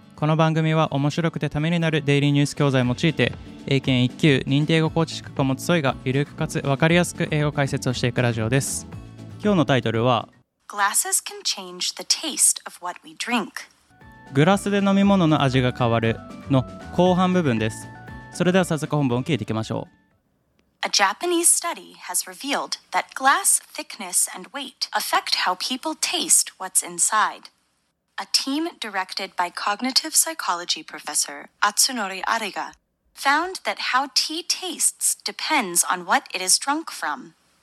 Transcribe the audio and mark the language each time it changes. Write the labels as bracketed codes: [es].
[ja] この番組は面白くてためになるデイリーニュース教材を用いて英検1級認定語コーチ資格を持つソイがゆるくかつ分かりやすく英語解説をしていくラジオです。今日のタイトルは [en] Glasses can change the taste of what we drink. [ja] グラスで飲み物の味が変わるの後半部分です。それでは早速本文を聞いていきましょう。 [en] A Japanese study has revealed that glass thickness and weight affect how people taste what's inside. A team directed by cognitive psychology professor Atsunori Ariga found that how tea tastes depends on what it is drunk from.